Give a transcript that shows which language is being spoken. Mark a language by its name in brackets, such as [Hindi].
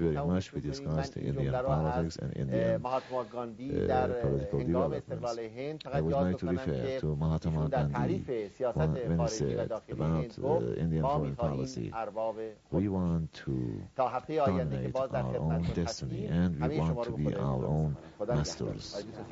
[English] Thank you very much for discussing Indian politics and Indian [Persian] مهاتما گاندی در هنگام استقلال هند. فقط یاد بکنم که در تعریف سیاست خارجی و داخلی هند گفت [English] we want to dominate our own destiny and we want to be our own masters.